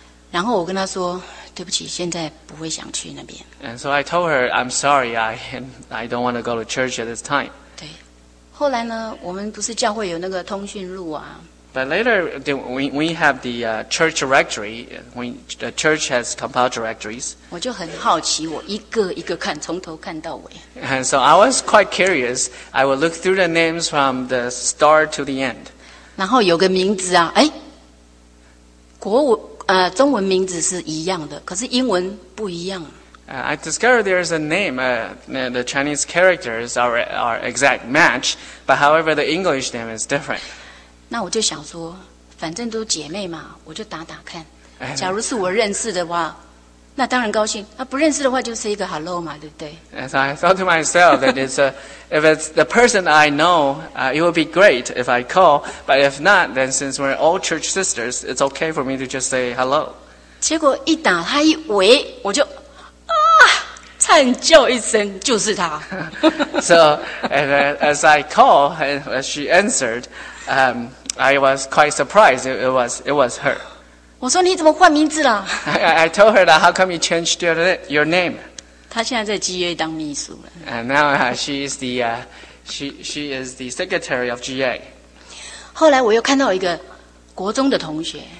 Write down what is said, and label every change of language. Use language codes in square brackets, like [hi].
[zh] 然后我跟他说对不起，现在不会想去那边。 [en] And so I told her, I'm sorry, I don't want to go to church at this time. [zh] 对，后来呢，我们不是教会有那个通讯录啊。 [en] But later, we have the church directory. The church has compiled directories. [zh] 我就很好奇，我一个一个看，从头看到尾。 [en] And so I was quite curious. I would look through the names from the start to the end. [zh] 然后有个名字啊，哎，国文中文名字是一样的，可是英文不一样。 [en] I discovered there is a name. The Chinese characters are exact match, but however, the English name is different. [zh] 那我就想说，反正都姐妹嘛，我就打打看。假如是我认识的话，那当然高兴。那不认识的话，就是一个 hello 嘛，对不对 [en] ？And so I thought to myself that if it's the person I know, it would be great if I call. But if not, then since we're all church sisters, it's okay for me to just say hello. [zh] 结果一打他一围，我就。颤叫一声，就是他。 [en] So, and as I called, and as she answered, I was quite surprised. It was her. [zh] 我说你怎么换名字了 [en] ？I told her that how come you changed your name? [zh] 她现在在 GA 当秘书了。 [en] And now she is the secretary of GA. [zh] 后来我又看到一个国中的同学。